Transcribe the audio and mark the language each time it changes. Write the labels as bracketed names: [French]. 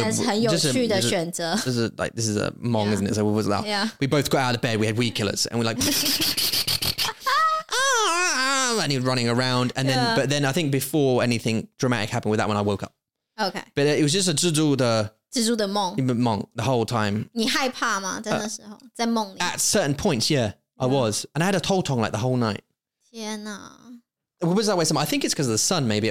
[Chinese] That's 很有趣的选择。 [English] This is a mong, yeah. isn't it? So what was that? Yeah. We both got out of bed. We had weed killers. And we're like, and he was running around. And then,、yeah. but then I think before anything dramatic happened with that one, I woke up. Okay. But it was just a 蜘蛛的。 [Chinese] 蜘蛛的梦。 [English] 梦 the whole time. [Chinese] 你害怕吗在那时候在梦里。 [English] At certain points, yeah. I was. And I had a 头痛like the whole night. [Chinese] 天啊。 [English] What was that way? I think it's because of the sun, maybe.